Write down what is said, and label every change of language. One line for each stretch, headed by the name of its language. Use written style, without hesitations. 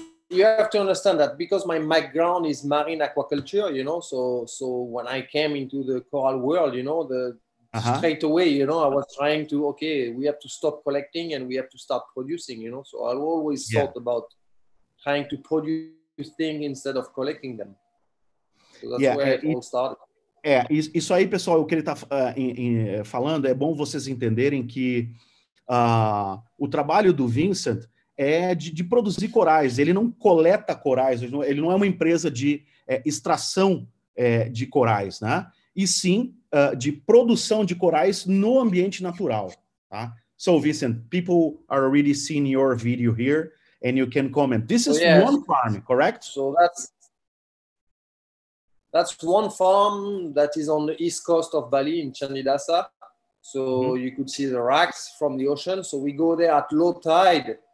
English: You have to understand that because my background is marine aquaculture, you know, so when I came into the coral world, you know, straight away, you know, I was trying to, okay, we have to stop collecting and we have to start producing, you know, so I always thought about trying to produce things instead of collecting them. So that's where it all started.
Portuguese: Isso aí, pessoal, o que ele está falando, é bom vocês entenderem que o trabalho do Vincent é de produzir corais. Ele não coleta corais, ele não é uma empresa de extração de corais, né? E sim de produção de corais no ambiente natural. Tá?
English: So, Vincent, people are already seeing your video here, and you can comment. This is one farm, correct? So that's one farm that is on the east coast of Bali in Chandidasa. So you could see the rocks from the ocean. So we go there at low tide.